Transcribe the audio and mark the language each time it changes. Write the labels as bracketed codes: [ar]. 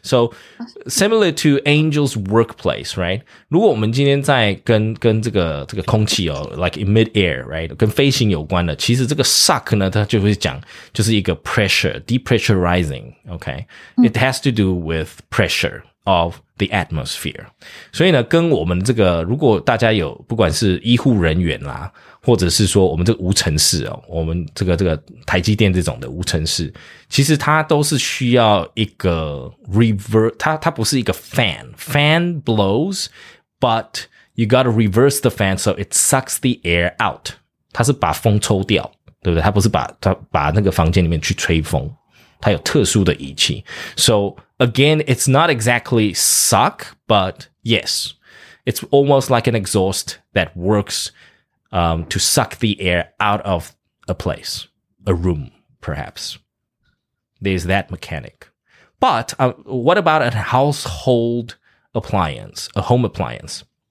[en] So similar to Angel's workplace, right? [zh] 如果我们今天在跟这个空气哦 [en] like in mid-air, right? [zh] 跟飞行有关的其实这个 suck 呢它就会讲就是一个 [en] pressure, depressurizing, okay? It has to do with pressure of the atmosphere. [zh] 所以呢跟我们这个如果大家有不管是医护人员啦或者是说我们这个无尘室哦我们这个台积电这种的无尘室其实它都是需要一个 reverse, 它不是一个 fan. [en] Fan blows, but you gotta reverse the fan so it sucks the air out. [zh] 它是把风抽掉对不对它不是把那个房间里面去吹风它有特殊的仪器。 [en] So, again, it's not exactly suck, but yes, it's almost like an exhaust that works to suck the air out of a place, a room, perhaps. There's that mechanic. But what about a household appliance, a home appliance?